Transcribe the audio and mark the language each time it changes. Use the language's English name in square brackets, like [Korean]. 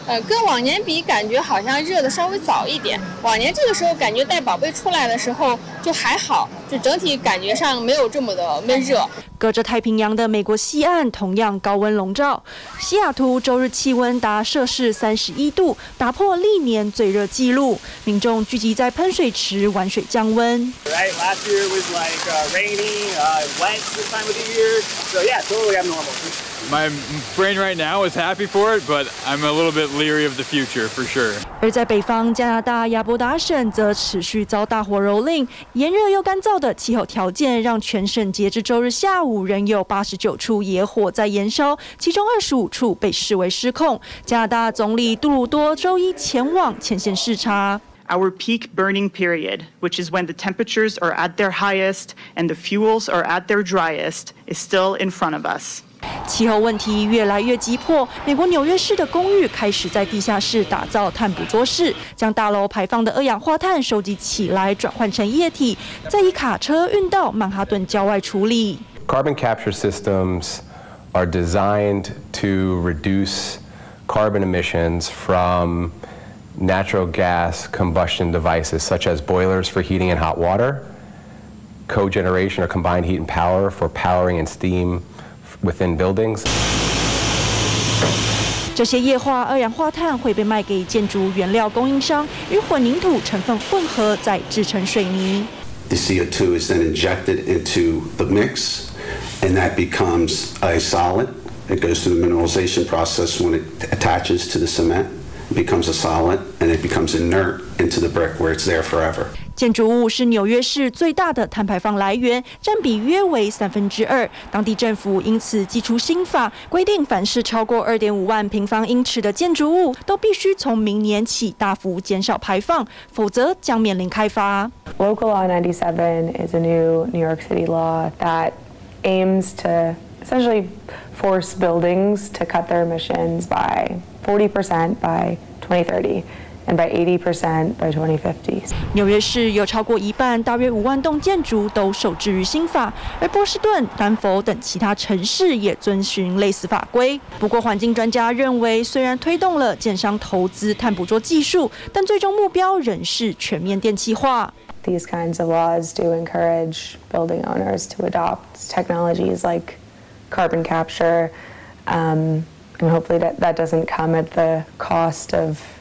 [Chinese] 跟往年比，感觉好像热的稍微早一点。往年这个时候感觉带宝贝出来的时候就还好，就整体感觉上没有这么的闷热。隔着太平洋的美国西岸同样高温笼罩，西雅图周日气温达摄氏31度，打破历年最热纪录。民众聚集在喷水池玩水降温。 [English] Right, last year was like rainy, wet this time of the year. So yeah, totally abnormal. My brain right now is happy for it, but I'm a little bit leery of the future, for sure. [Chinese] 而在北方，加拿大亚伯达省则持续遭大火蹂躏，炎热又干燥的气候条件让全省截至周日下午仍有89处野火在燃烧，其中25处被视为失控。加拿大总理杜鲁多周一前往前线视察。 [English] Our peak burning period, which is when the temperatures are at their highest and the fuels are at their driest, is still in front of us. [Chinese] 气候问题越来越急迫，美国纽约市的公寓开始在地下室打造碳捕捉室，将大楼排放的二氧化碳收集起来，转换成液体，再以卡车运到曼哈顿郊外处理。 [English] Carbon capture systems are designed to reduce carbon emissions from natural gas combustion devices such as boilers for heating and hot water, cogeneration or combined heat and power for powering and steam. Within buildings. [Chinese] 这些液化二氧化碳会被卖给建筑原料供应商，与混凝土成分混合再制成水泥。 [English] The CO2 is then injected into the mix, and that becomes a solid. It goes through the mineralization process when it attaches to the cement, becomes a solid, and it becomes inert into the brick where it's there forever. [Chinese] 建筑物是纽约市最大的碳排放来源，占比约为2/3。当地政府因此祭出新法，规定凡是超过2.5万平方英尺的建筑物，都必须从明年起大幅减少排放，否则将面临开发。 [English] Local Law 97 is a new New York City law that aims to essentially force buildings to cut their emissions by 40% by 2030. And by 80% by 2050. [Chinese] 纽约市有超过一半，大约50000栋建筑都受制于新法，而波士顿、丹佛等其他城市也遵循类似法规。不过，环境专家认为，虽然推动了建商投资碳捕捉技术，但最终目标仍是全面电气化。 [English] These kinds of laws do encourage building owners to adopt technologies like carbon capture, and hopefully that doesn't come at the cost of.